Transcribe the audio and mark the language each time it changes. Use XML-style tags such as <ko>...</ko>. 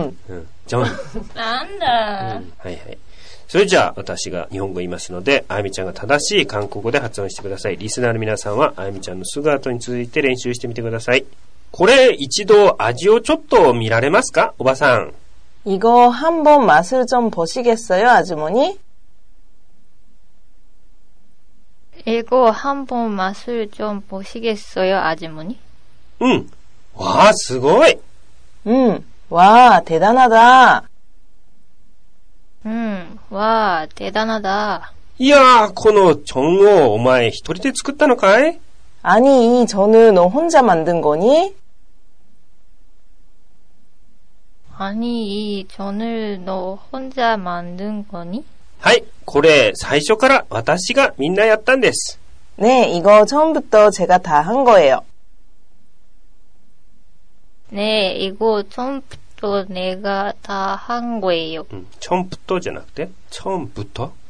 <ja>うん。ちゃん。なんだ、うん。はいはい。それじゃあ、私が日本語言いますので、あゆみちゃんが正しい韓国語で発音してください。リスナーの皆さんは、あゆみちゃんの素顔に続いて練習してみてください。これ、一度、味をちょっと見られますか、おばさん。</ja> <ko>이거한번맛을좀보시겠어요아주머니 이거한번맛을좀보시겠어요아주머니 응와</ko> <ja>すごい</ja> <ko>응와대단하다 응와대단하다 이야</ko> <ja>この전をお前一人で作ったのかい</ja> <ko>아니이전을너혼자만든거니 아니이전을너혼자만든거니</ko> <ja>はいこれ最初から私がみんなやったんです</ja> <ko>네이거처음부터제가다한거예요 네이거처음부터내가다한거예요 처음부터</ko> <ja>じゃなくて처음부터</ja>